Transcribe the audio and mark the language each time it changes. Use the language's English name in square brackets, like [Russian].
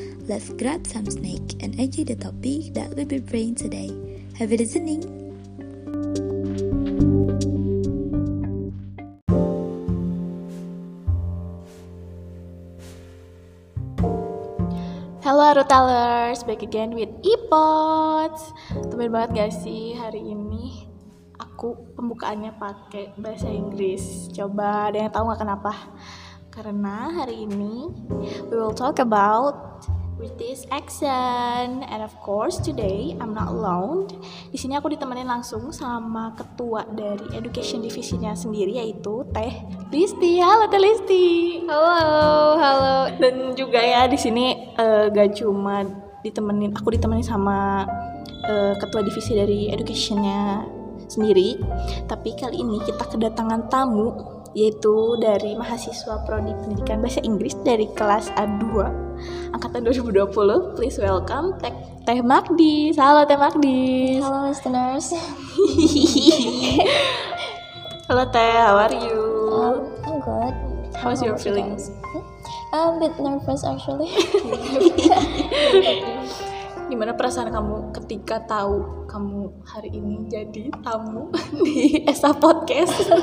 [English] Let's grab some snack and enjoy the topic that we'll be bringing today. Happy listening! Hello Rutalers, back again with iPods. [Indonesian] Temen banget gak sih hari ini aku pembukaannya pakai bahasa Inggris. Coba ada yang tahu gak kenapa? Karena hari ini [English] we will talk about British accent. And of course today I'm not alone. [Indonesian] Di sini aku ditemenin langsung sama ketua dari education divisinya sendiri, yaitu Teh Listy. Halo Teh Listy. Halo. Dan juga ya di sini gak cuma ditemenin, aku ditemenin sama ketua divisi dari educationnya sendiri, tapi kali ini kita kedatangan tamu, yaitu dari mahasiswa prodi pendidikan bahasa Inggris dari kelas A2 angkatan 2020. [English] Please welcome Teh Magdis. Halo Teh Magdis. Halo listeners. Halo Teh, how are you? I'm good. How's your feeling? I'm a bit nervous actually. [Indonesian] Gimana perasaan kamu ketika tahu kamu hari ini jadi tamu di ESA Podcast?